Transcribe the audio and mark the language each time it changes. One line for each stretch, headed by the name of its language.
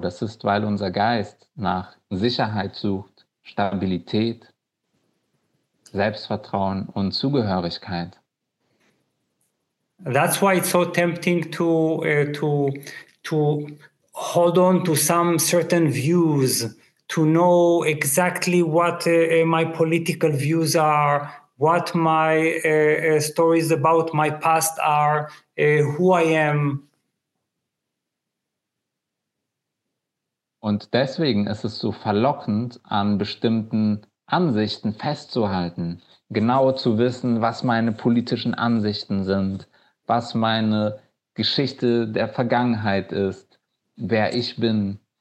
German: Das ist, weil unser Geist nach Sicherheit sucht, Stabilität, Selbstvertrauen und Zugehörigkeit.
English: That's why it's so tempting to hold on to some certain views, to know exactly what my political views are, what my stories about my past are, who I am.
German: Und deswegen ist es so verlockend, an bestimmten Ansichten festzuhalten, genau zu wissen, was meine politischen Ansichten sind, was meine Geschichte der Vergangenheit ist, wer ich bin.